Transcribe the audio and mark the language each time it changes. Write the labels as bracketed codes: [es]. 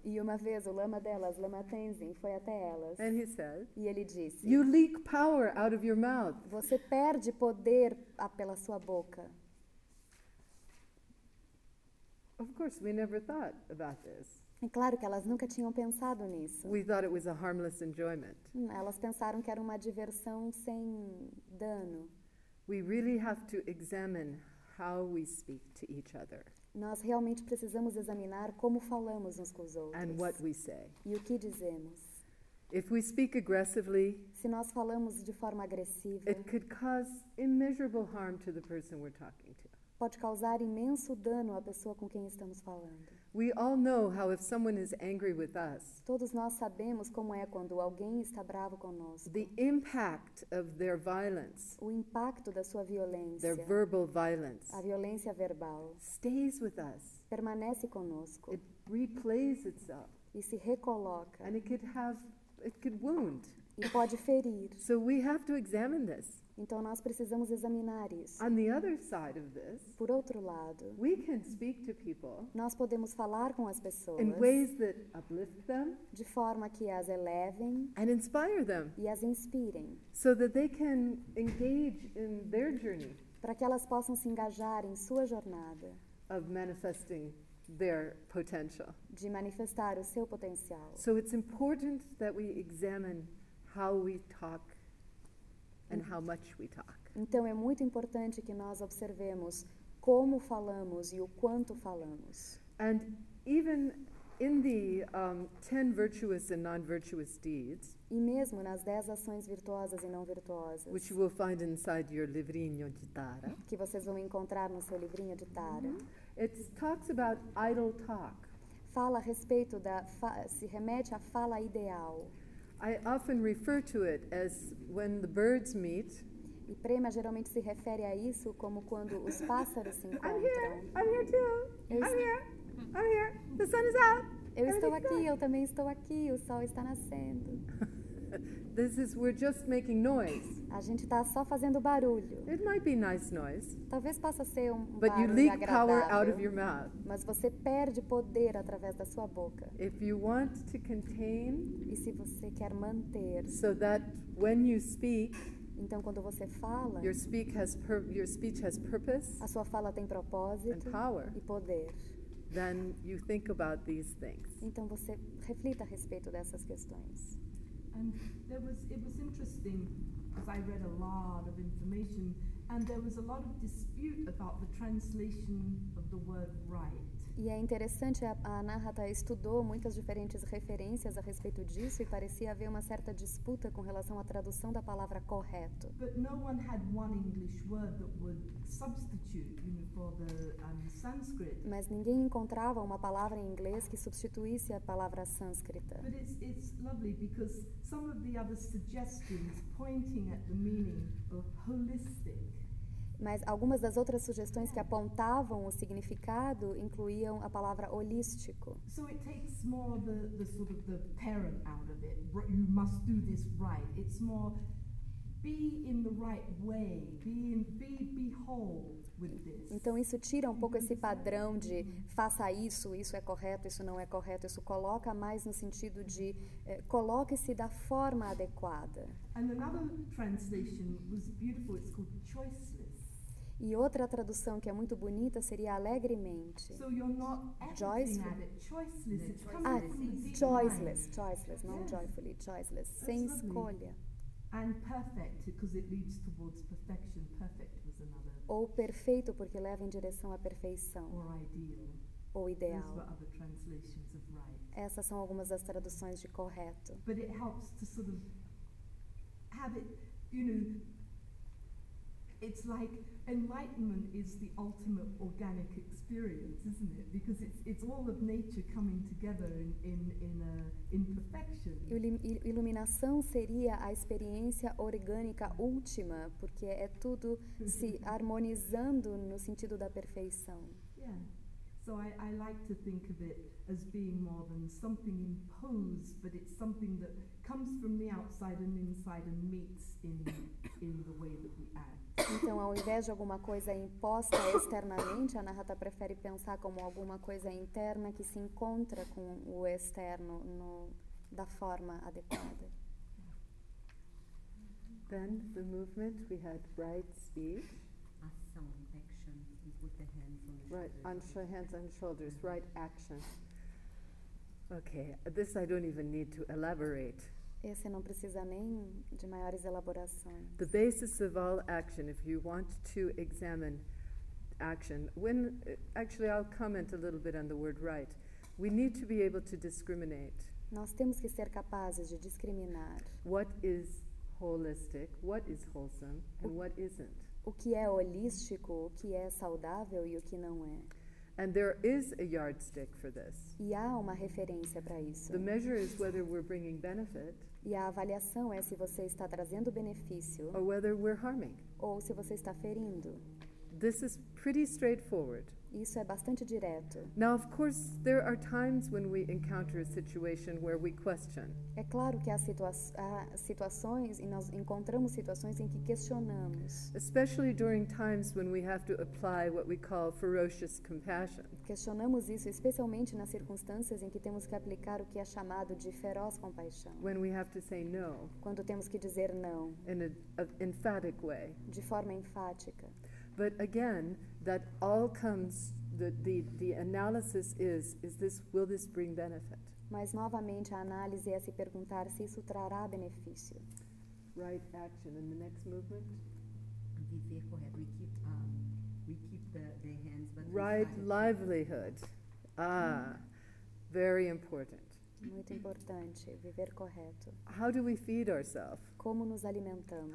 [pt] E uma vez o Lama delas, Lama Tenzin, foi até elas. [en] And he said, [pt] e ele disse, [en] you leak power out of your mouth. [pt] Você perde poder pela sua boca. [en] Of course, we never thought about this. [pt] É claro que elas nunca tinham pensado nisso. [en] We thought it was a harmless enjoyment. [pt] Elas pensaram que era uma diversão sem dano. [en] We really have to examine how we speak to each other. [pt] Nós realmente precisamos examinar como falamos uns com os outros. [en] And what we say. [pt] E o que dizemos. [en] If we speak aggressively, [pt] se nós falamos de forma agressiva, [en] it could cause immeasurable harm to the person we're talking to. [pt] Pode causar imenso dano à pessoa com quem estamos falando. [en] We all know how if someone is angry with us, [pt] todos nós sabemos como é quando alguém está bravo conosco. [en] The impact of their violence, [pt] o impacto da sua violência, [en] their verbal violence, [pt] a violência verbal, [en] stays with us, [pt] permanece conosco. [en] It replays itself, [pt] e se recoloca. [en] And it could wound, [pt] e pode ferir. [en] So we have to examine this. [pt] Então nós precisamos examinar isso. [en] On the other side of this, [pt] por outro lado, [en] we can speak to people [pt] nós podemos falar com as pessoas [en] in ways that uplift them, [pt] de forma que as elevem [en] and inspire them, [pt] e as inspirem, [en] so that they can engage in their journey, [pt] para que elas possam se engajar em sua jornada [en] of manifesting their potential. [pt] De manifestar o seu potencial. [en] So it's important that we examine how we talk and how much we talk. [pt] Então é muito importante que nós observemos como falamos e o quanto falamos. [en] And even in the 10 virtuous and non-virtuous deeds, [pt] e mesmo nas 10 ações virtuosas e não virtuosas, [en] which you will find inside your [pt] livrinho de Tara, que vocês vão encontrar no seu livrinho de Tara, [en] it talks about idle talk. [pt] Fala a respeito da se remete à fala ideal. [en] I often refer to it as when the birds meet. [pt] E Prema geralmente se refere a isso como quando os pássaros se encontram. [en] I'm here too. I'm here. The sun is out. [pt] Eu estou aqui. Eu também estou aqui. O sol está nascendo. [en] This is we're just making noise. [pt] A gente está só fazendo barulho. [en] It might be nice noise. [pt] Talvez possa ser um [en] but [pt] barulho [en] you leak [pt] agradável. [en] Power out of your mouth. [pt] Mas você perde poder através da sua boca. [en] If you want to contain, [pt] e se você quer manter, [en] so that when you speak, [pt] então quando você fala, [en] your speech has purpose, [pt] a sua fala tem propósito [en] and power, [pt] e poder. [en] Then you think about these things. [pt] Então você reflita a respeito dessas questões. [en] And it was interesting because I read a lot of information and there was a lot of dispute about the translation of the word right. [pt] E é interessante, a Nahata estudou muitas diferentes referências a respeito disso e parecia haver uma certa disputa com relação à tradução da palavra correto. [en] But no one had one English word that would substitute, you know, for the Sanskrit. [pt] Mas ninguém encontrava uma palavra em inglês que substituísse a palavra sânscrita. [en] But it's lovely because some of the other suggestions pointing at the meaning of holistic. [pt] Mas algumas das outras sugestões que apontavam o significado incluíam a palavra holístico. [en] So it takes more the sort of the parent out of it. You must do this right. It's more be in the right way, be whole with this. [pt] Então isso tira um pouco esse padrão de faça isso, isso é correto, isso não é correto. Isso coloca mais no sentido de coloque-se da forma adequada. [en] And another translation was beautiful. It's called choiceless. [pt] E outra tradução que é muito bonita seria alegremente. [en] So you're not joyful. Choiceless. Choiceless. Choiceless. Not yes. Joyfully. Choiceless. That's [pt] sem [en] lovely. [pt] Escolha. [en] And perfect, because it leads towards perfection. Perfect was another. [pt] Ou perfeito, porque leva em direção à perfeição. [en] Or ideal. [pt] Ou ideal. [en] Those were other translations of right. [pt] Essas são algumas das traduções de correto. [en] But it helps to sort of have it, you know, it's like enlightenment is the ultimate organic experience, isn't it? Because it's all of nature coming together in perfection. [pt] Iluminação seria a experiência orgânica última, porque é tudo se harmonizando no sentido da perfeição. [en] Yeah. So I like to think of it as being more than something imposed, but it's something that comes from the outside and inside and meets in the way that we act. [pt] Então, ao invés de alguma coisa imposta externamente, a Nahata prefere pensar como alguma coisa interna que se encontra com o externo no, da forma adequada. [en] Then the movement we had right speech. [pt] Ação, [en] action. Put the hands on the right, shoulders. Right, hands on shoulders. Right action. Okay, this I don't even need to elaborate. [pt] Esse não precisa nem de maiores elaborações. [en] The basis of all action, if you want to examine action, when actually I'll comment a little bit on the word right. We need to be able to discriminate. [pt] Nós temos que ser capazes de discriminar. [en] What is holistic? What is wholesome? And what isn't? [pt] O que é holístico, o que é saudável e o que não é? [en] And there is a yardstick for this. [pt] E há uma referência para isso. [en] The measure is whether we're bringing benefit. [pt] E a avaliação é se você está trazendo benefício. [en] Or whether we're harming. [pt] Ou se você está ferindo. [en] This is pretty straightforward. [pt] Isso é bastante direto. [en] Now, of course, there are times when we encounter a situation where we question. [pt] É claro que há situações e nós encontramos situações em que questionamos. [en] Especially during times when we have to apply what we call ferocious compassion. [pt] Questionamos isso especialmente nas circunstâncias em que temos que aplicar o que é chamado de feroz compaixão. [en] When we have to say no. [pt] Quando temos que dizer não. [en] In an emphatic way. [pt] De forma enfática. [en] But again, that all comes, the analysis is this, will this bring benefit? [pt] Mas novamente a análise é se perguntar se isso trará benefício. [en] Right action in the next movement. [pt] Viver correto. [en] We keep the hands, but right livelihood. Very important. [pt] Muito importante, viver correto. [en] How do we feed ourselves? [pt] Como nos alimentamos?